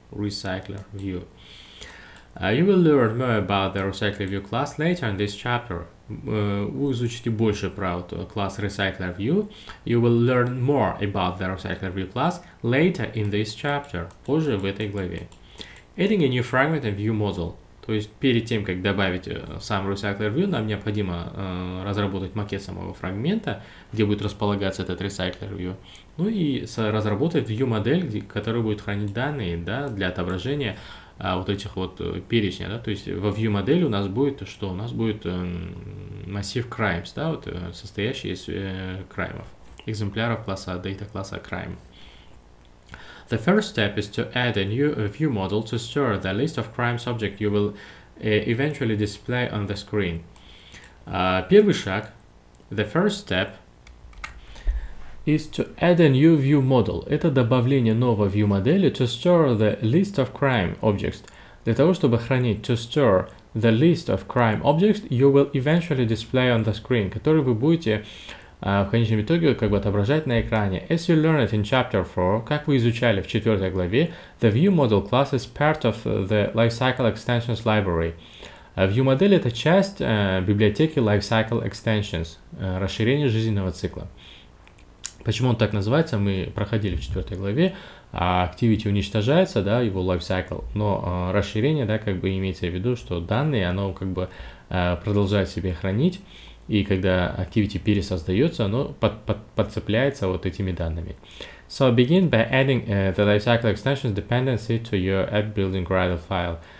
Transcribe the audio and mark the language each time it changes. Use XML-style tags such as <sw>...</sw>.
<en>Recycler view. You will learn more about the recycler view class later in this chapter.</en> <ru>Вы изучите больше про класс recycler view.</ru> <en>You will learn more about the recycler view class later in this chapter.</en> <ru>Позже в этой главе.</ru> <en>Adding a new fragment and view model.</en> <ru>То есть перед тем, как добавить сам Recycler View, нам необходимо разработать макет самого фрагмента, где будет располагаться этот Recycler View. Ну и разработать View модель, которая будет хранить данные, да, для отображения вот этих вот перечня. Да? То есть во View модели у нас будет что? У нас будет массив Crimes, да, вот, состоящий из краймов, экземпляров класса Data класса Crime.</ru> <en>The first step is to add a new view model to store the list of crimes object you will eventually display on the screen.</en> <ru>Первый шаг.</ru> <en>The first step is to add a new view model.</en> <ru>Это добавление новой view модели</ru> <en>to store the list of crime objects.</en> <ru>Для того, чтобы хранить</ru> <en>to store the list of crime objects you will eventually display on the screen,</en> <ru>который вы будете в конечном итоге как бы отображать на экране.</ru> <en>As you learned in chapter 4,</en> <ru>как вы изучали в 4 главе,</ru> <en>the view model class is part of the lifecycle extensions library.</en> <ru>View модель — это часть библиотеки lifecycle extensions, расширение жизненного цикла. Почему он так называется, мы проходили в 4 главе. Activity уничтожается, да, его lifecycle, но расширение, да, как бы имеется в виду, что данные, оно как бы продолжает себе хранить. И когда activity пересоздается, оно подцепляется вот этими данными.</ru> <en>So begin by adding the lifecycle extensions dependency to your app building gradle file.</en>